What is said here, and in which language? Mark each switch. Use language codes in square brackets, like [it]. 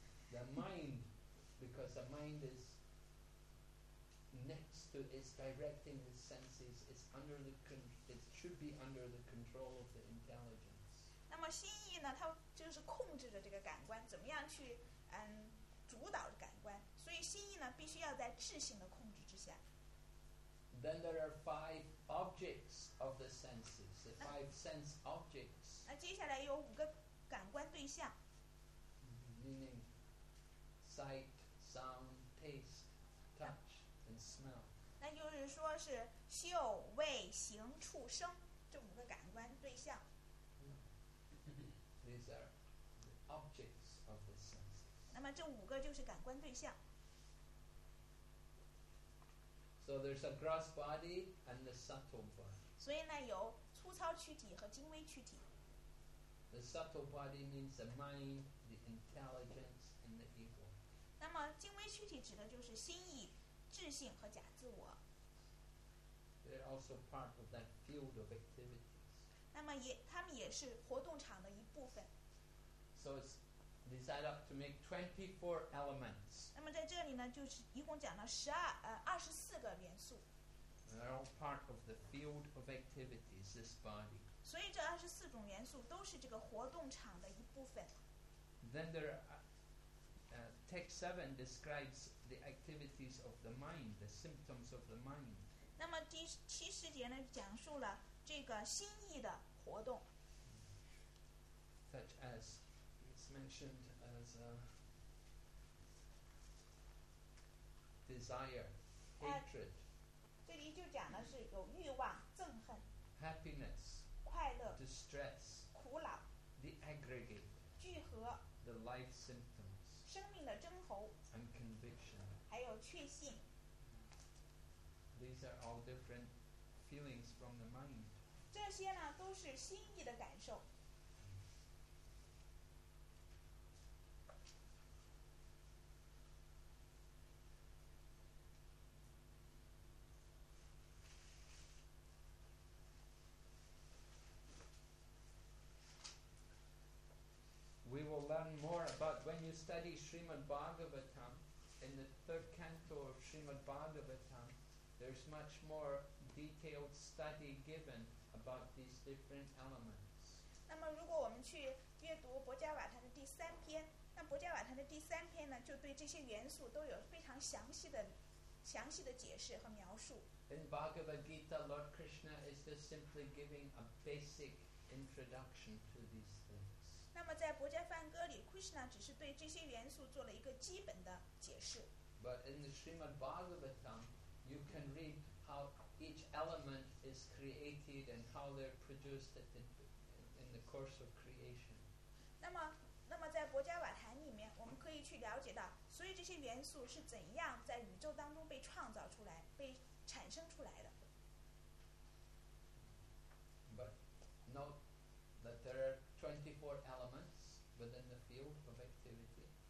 [en] The mind because the mind is next to it's directing the senses it's under the it should be under the control of the intelligence [zh] 那么心意呢它就是控制着这个感官怎么样去主导感官所以心意呢必须要在智性的控制之下 [en] Then there are five objects of the senses the five sense objects [zh] 那接下来有五个感官对象 [en] meaning sight, sound, taste, touch, and smell [zh] 那就是说是嗅、味、形、触、声这五个感官对象 [en] These are the objects of the senses. [zh] 那么这五个就是感官对象。 [en] So there's a gross body and the subtle body. [zh] 所以呢，有粗糙躯体和精微躯体。 [en] The subtle body means the mind, the intelligence, and the ego. [zh] 那么精微躯体指的就是心意、智性和假自我。 [en] They're also part of that field of activity. [zh] 那么也他们也是活动场的一部分。 [en] So it's designed up to make 24 elements. [zh] 那么在这里呢，就是一共讲了二十四个元素。 [en] They're all part of the field of activities, this body. [zh] 所以这二十四种元素都是这个活动场的一部分。 [en] Then there text 7 describes the activities of the mind, the symptoms of the mind. [zh] 那么第七十节呢，讲述了这个心意的活动。 [en] Such as it's mentioned as a desire, hatred. [zh] 这里就讲的是有欲望、憎恨、 [en] happiness、 [zh] 快乐、 [en] distress、 [zh] 苦恼、 [en] the aggregate、 [zh] 聚合、 [en] the life symptoms、 [zh] 生命的征候、 [en] and conviction、 [zh] 还有确信。 [en] These are all different feelings from the mind. [zh] 这些呢都是心意的感受。 [en] We will learn more about when you study Srimad Bhagavatam. In the third canto of Srimad Bhagavatam, there's much more detailed study given about these different elements. [zh] 那么如果我们去阅读博迦瓦坦的第三篇，那博迦瓦坦的第三篇呢，就对这些元素都有非常详细的解释和描述。 [en] In Bhagavad Gita, Lord Krishna is just simply giving a basic introduction to these things. [zh] 那么在《博迦梵歌》里 ，Krishna 只是对这些元素做了一个基本的解释。 [en] But in the Srimad Bhagavatam, you can read how each element is created and how they're produced in the course of creation. [zh] 那么在《博迦瓦坛》里面，我们可以去了解到，所以这些元素是怎样在宇宙当中被创造出来、被产生出来的。 [en] But note that there are 24 elements within the field of activity.